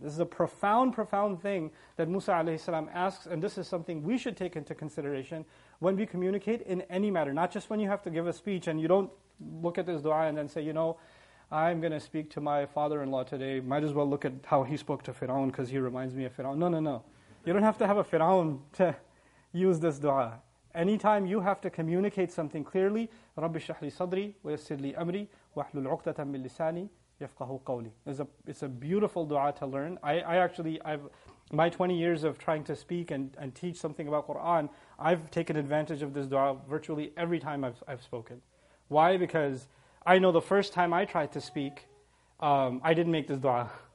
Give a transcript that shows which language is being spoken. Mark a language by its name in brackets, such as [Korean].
[English] This is a profound, profound thing that Musa alayhi salam asks, and this is something we should take into consideration when we communicate in any matter, not just when you have to give a speech and you don't look at this dua and then say, you know, I'm going to speak to my father-in-law today, might as well look at how he spoke to Fir'aun because he reminds me of Fir'aun. No, no, no. You don't have to have a Fir'aun to use this dua. Anytime you have to communicate something clearly, [Arabic] رَبِّ شَحْلِ صَدْرِي وَيَسِّرْلِي أَمْرِي وَأَحْلُلْ عُقْدَةً مِّن لِسَانِي يَفْقَهُ قَوْلِي. [English] It's a beautiful dua to learn. I actually, my 20 years of trying to speak and teach something about Qur'an, I've taken advantage of this dua virtually every time I've spoken. Why? Because I know the first time I tried to speak, I didn't make this dua.